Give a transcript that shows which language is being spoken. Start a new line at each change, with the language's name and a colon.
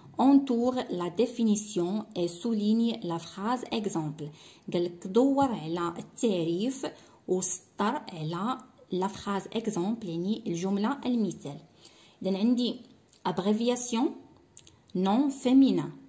French: Entoure la définition et souligne la phrase exemple.
Arabic: قالك دور على التعريف وسطر على
French: la phrase exemple،
Arabic: يعني الجملة المثال. إذن عندي
French: abbreviation non féminin.